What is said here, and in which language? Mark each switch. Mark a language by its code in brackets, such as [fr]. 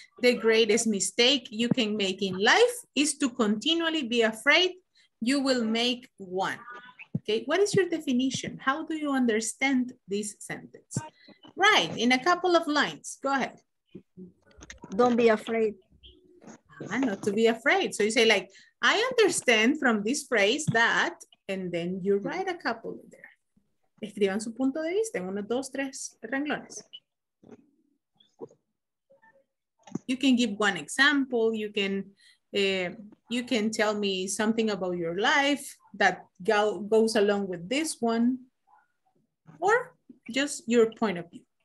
[en] The greatest mistake you can make in life is to continually be afraid you will make one. Okay, what is your definition? How do you understand this sentence? Right, in a couple of lines. Go ahead. Don't be afraid. Not to be afraid. So you say like, I understand from this phrase that, and then you write a couple of there. [es] Escriban su punto de vista en uno, dos, tres renglones. [en] You can give one example. You can tell me something about your life that goes along with this one, or just your point of view.